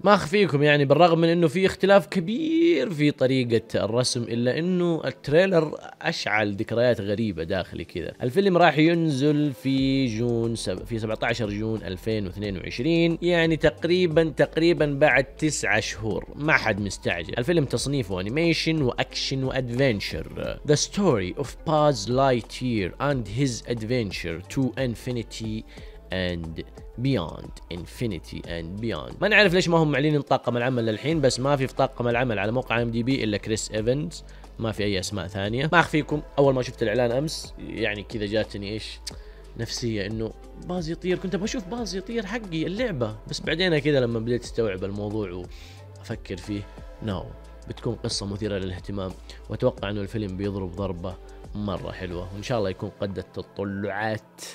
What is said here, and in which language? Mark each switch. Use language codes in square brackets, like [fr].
[ar] ما اخفيكم يعني بالرغم من انه في اختلاف كبير في طريقة الرسم الا انه التريلر اشعل ذكريات غريبة داخلي كذا. الفيلم راح ينزل في جون في 17 جون 2022، يعني تقريبا بعد 9 شهور، ما حد مستعجل. الفيلم تصنيفه انيميشن واكشن وادفنتشر. [en] The story of Buzz Lightyear and his adventure to infinity and beyond. Infinity and beyond. [ar] ما نعرف ليش ما هم معلنين طاقم العمل للحين، بس ما في طاقم العمل على موقع IMDb الا كريس ايفنز، ما في اي اسماء ثانية. ما اخفيكم اول ما شفت الاعلان امس يعني كذا جاتني ايش نفسية انه باز يطير، كنت بشوف باز يطير حقي اللعبة، بس بعدين كذا لما بديت استوعب الموضوع وافكر فيه نو بتكون قصة مثيرة للاهتمام، واتوقع انه الفيلم بيضرب ضربة مرة حلوة، وان شاء الله يكون قد التطلعات.